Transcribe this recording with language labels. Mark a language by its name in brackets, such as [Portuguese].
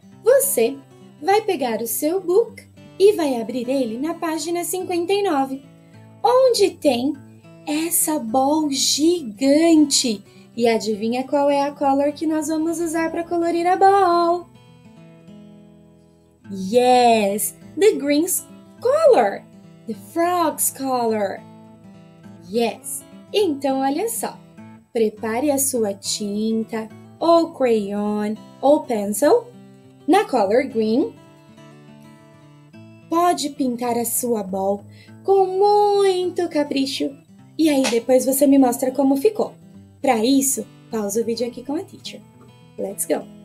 [Portuguese] Você vai pegar o seu book e vai abrir ele na página 59, onde tem essa ball gigante. E adivinha qual é a color que nós vamos usar para colorir a ball? [English] Yes, the green's color, the frog's color. [Portuguese] Yes, então olha só. Prepare a sua tinta, ou crayon, ou pencil na color green. Pode pintar a sua ball com muito capricho. E aí depois você me mostra como ficou. Para isso, pausa o vídeo aqui com a teacher. [English] Let's go!